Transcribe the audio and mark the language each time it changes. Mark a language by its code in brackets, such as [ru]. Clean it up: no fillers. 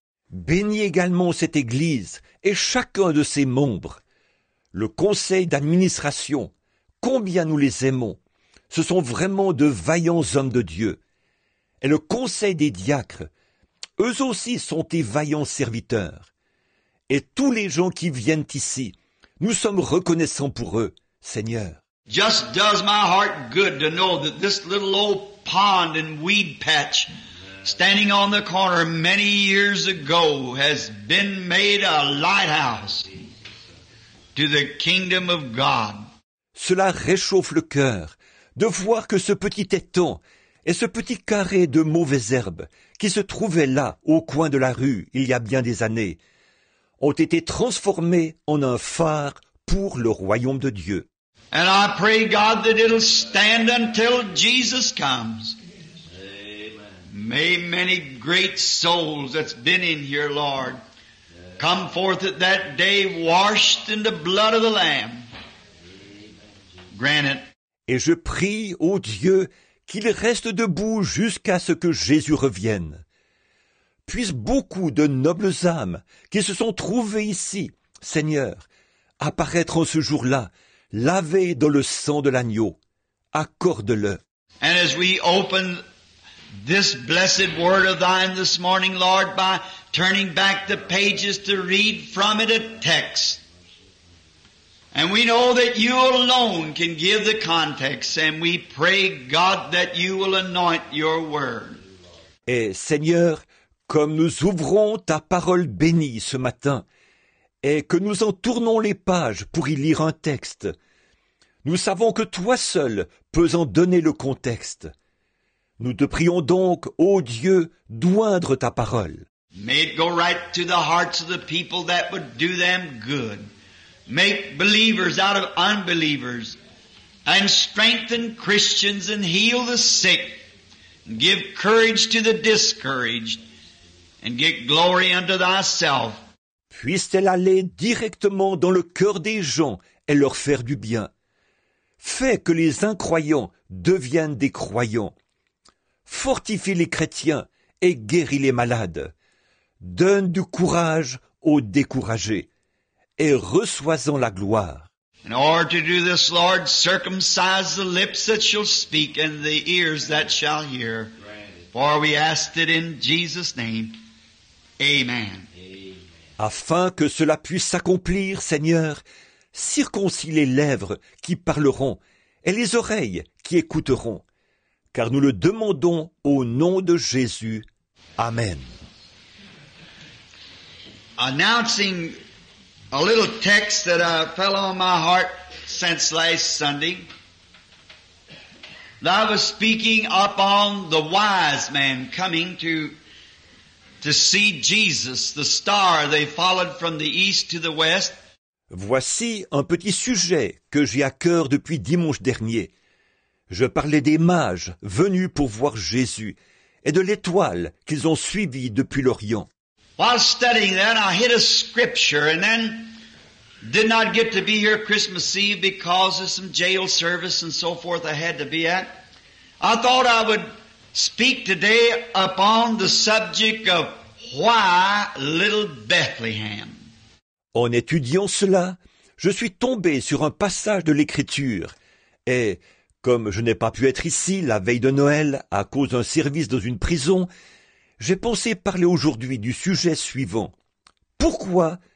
[fr] Bénis également cette église et chacun de ses membres. Le conseil d'administration, combien nous les aimons. Ce sont vraiment de vaillants hommes de Dieu. Et le conseil des diacres, eux aussi sont tes vaillants serviteurs. Et tous les gens qui viennent ici, nous sommes reconnaissants pour eux, Seigneur. [en] Just does my heart good to know that this little old pond and weed patch standing on the corner many years ago has been made a lighthouse to the kingdom of God. [fr] Cela réchauffe le cœur de voir que ce petit étang et ce petit carré de mauvaises herbes qui se trouvaient là au coin de la rue il y a bien des années ont été transformés en un phare pour le royaume de Dieu. [en] And I pray, God, that it'll stand until Jesus comes. Amen. May many great souls that's been in here, Lord, come forth at that day washed in the blood of the Lamb. Grant it. [fr] Et je prie, ô Dieu, qu'il reste debout jusqu'à ce que Jésus revienne. Puisse beaucoup de nobles âmes qui se sont trouvées ici, Seigneur, apparaître en ce jour-là, lavé dans le sang de l'agneau. Accorde-le. [en] And as we open this blessed word of thine this morning, Lord, by turning back the pages to read from it a text. And we know that you alone can give the context, and we pray, God, that you will anoint your word. [fr] Et Seigneur, comme nous ouvrons ta parole bénie ce matin, et que nous en tournons les pages pour y lire un texte. Nous savons que toi seul peux en donner le contexte. Nous te prions donc, ô Dieu, d'oindre ta parole. [en] May it go right to the hearts of the people that would do them good. Make believers out of unbelievers. And strengthen Christians and heal the sick. And give courage to the discouraged. And get glory unto thyself. [fr] Puisse-t-elle aller directement dans le cœur des gens et leur faire du bien. Fais que les incroyants deviennent des croyants. Fortifie les chrétiens et guéris les malades. Donne du courage aux découragés et reçois-en la gloire. [en] In order to do this, Lord, circumcise the lips that shall speak and the ears that shall hear. For we ask it in Jesus' name. Amen. [fr] Afin que cela puisse s'accomplir, Seigneur, circoncis les lèvres qui parleront et les oreilles qui écouteront, car nous le demandons au nom de Jésus. Amen. [en] Announcing a little text that fell on my heart since last Sunday, that I was speaking up on the wise man coming to see Jesus, the star they followed from the east to the west. [fr] Voici un petit sujet que j'ai à cœur depuis dimanche dernier. Je parlais des mages venus pour voir Jésus et de l'étoile qu'ils ont suivie depuis l'Orient. [en] While studying that, I hit a scripture and then did not get to be here Christmas Eve because of some jail service and so forth I had to be at. I thought I would speak today upon the subject of why little Bethlehem. [fr] En étudiant cela, je suis tombé sur un passage de l'Écriture, et comme je n'ai pas pu être ici la veille de Noël à cause d'un service dans une prison, j'ai pensé parler aujourd'hui du sujet suivant. Pourquoi